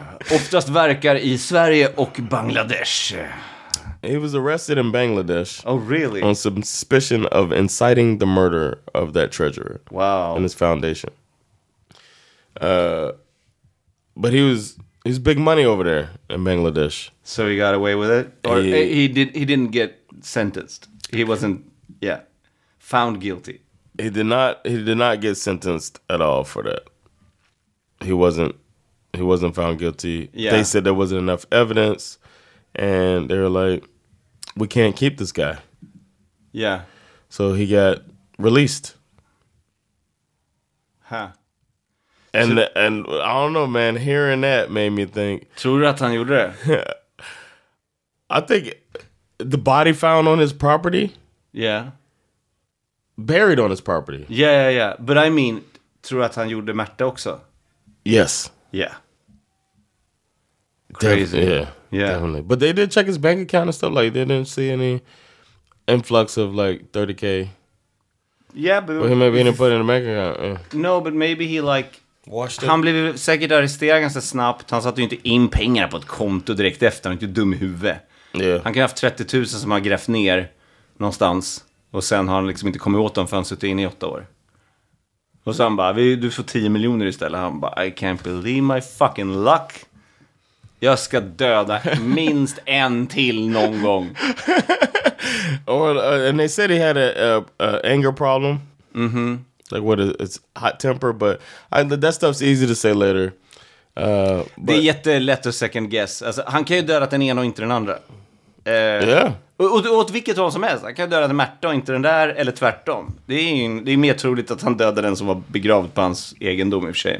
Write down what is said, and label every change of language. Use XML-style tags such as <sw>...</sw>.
<sv>Oftast verkar i Sverige och Bangladesh.</sv> <en>He was arrested in Bangladesh. Oh, really? On suspicion of inciting the murder of that treasurer. Wow. And his foundation. But he was big money over there in Bangladesh. So he got away with it? Or he didn't get sentenced. He wasn't, found guilty. He did not get sentenced at all for that. He wasn't found guilty. Yeah. They said there wasn't enough evidence. And they were like, we can't keep this guy. Yeah. So he got released. Huh. And I don't know, man. Hearing that made me think.</en> <sv>Tror du att han gjorde det?</sv> <en>I think the body found on his property. Yeah. Buried on his property. Yeah, yeah, yeah. But I mean,</en> <sv>tror du att han gjorde Märta också?</sv> <en>Yes. Yeah. Crazy. Yeah. Yeah, definitely. But they did check his bank account and stuff. Like, they didn't see any influx of like 30K. Yeah, but well, maybe he didn't put it in the bank account. Yeah. No, but maybe he like washed it.</en> <sv>Han blev säkert arresterad ganska snabbt. Han satte ju inte in pengar på ett konto direkt efter. Han är inte dum i huvudet.</sv> <en>Yeah.</en> <sv>Han kan ha haft 30 000 som har grävt ner någonstans. Och sen har han liksom inte kommit åt dem för han suttit in i 8 år. Och sen bara, du får 10 miljoner istället. Han bara,</sv> <en>I can't believe my fucking luck.</en> <sv>Jag ska döda minst en till någon gång.</sv> <en>And they said he had a anger problem. Mm-hmm. Like what, it's hot temper, but that stuff's easy to say later.</en> <sv>Det är jättelätt att</sv> <en>second guess.</en> <sv>Alltså, han kan ju döda den ena och inte den andra. Och åt vilket håll som helst. Han kan döda den Märta och inte den där, eller tvärtom. Det är mer troligt att han dödade den som var begravd på hans egendom i och för sig.</sv>